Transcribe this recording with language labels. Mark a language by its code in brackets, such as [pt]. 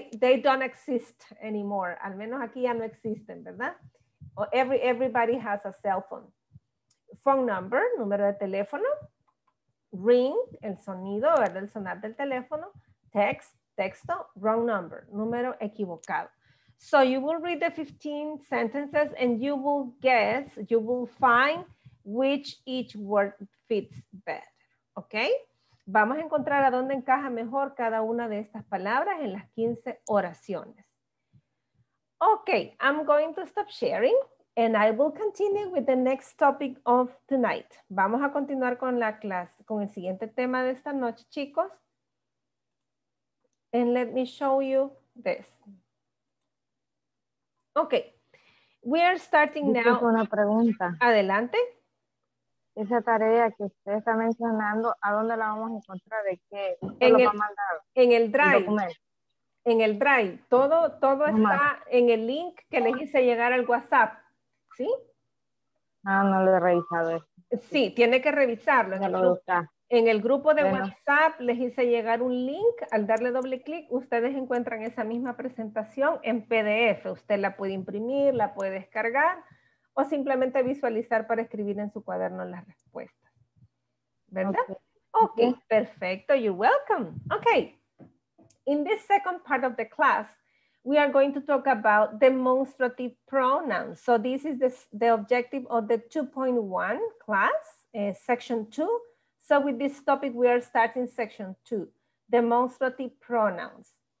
[en] They don't exist anymore, [es] al menos aquí ya no existen, ¿verdad? [en] Everybody has a cell phone. [es] Phone number, número de teléfono, ring, el sonido, ¿verdad? El sonar del teléfono, text, texto, wrong number, número equivocado. [en] So you will read the 15 sentences and you will guess, you will find which each word fits better, ¿ok? [es] Vamos a encontrar a dónde encaja mejor cada una de estas palabras en las 15 oraciones. [en] Ok, I'm going to stop sharing and I will continue with the next topic of tonight. [es] Vamos a continuar con la clase, con el siguiente tema de esta noche, chicos. [en] And let me show you this. Ok, we are starting now. [es] Con una pregunta. Adelante. Esa tarea que usted está mencionando, ¿a dónde la vamos a encontrar? ¿De qué? En el Drive. Todo está en el link que les hice llegar al WhatsApp. ¿Sí? Ah, no lo he revisado. Sí, tiene que revisarlo. En el grupo de WhatsApp les hice llegar un link. Al darle doble clic, ustedes encuentran esa misma presentación en PDF. Usted la puede imprimir, la puede descargar o simplemente visualizar para escribir en su cuaderno las respuestas. [en] ¿Verdad? Okay, perfecto. You're welcome. Okay. In this second part of the class, we are going to talk about demonstrative pronouns. So this is the objective of the 2.1 class, section 2. So with this topic, we are starting section 2, demonstrative pronouns.